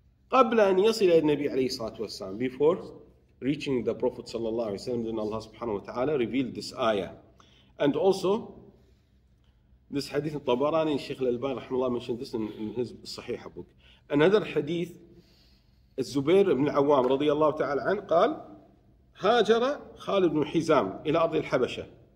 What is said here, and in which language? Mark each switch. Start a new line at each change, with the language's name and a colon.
Arabic: قبل أن يصل إلى النبي عليه الصلاة والسلام,
English: before reaching the prophet صلى الله عليه وسلم, then Allah سبحانه وتعالى revealed this ayah. And also this hadith in Tabarani, Sheikh Al-Albani رحمه الله mentioned this in his صحيح book. Another hadith,
Arabic: الزبير بن العوام رضي الله تعالى عنه قال, هاجر خالد بن حزام إلى أرض الحبشة.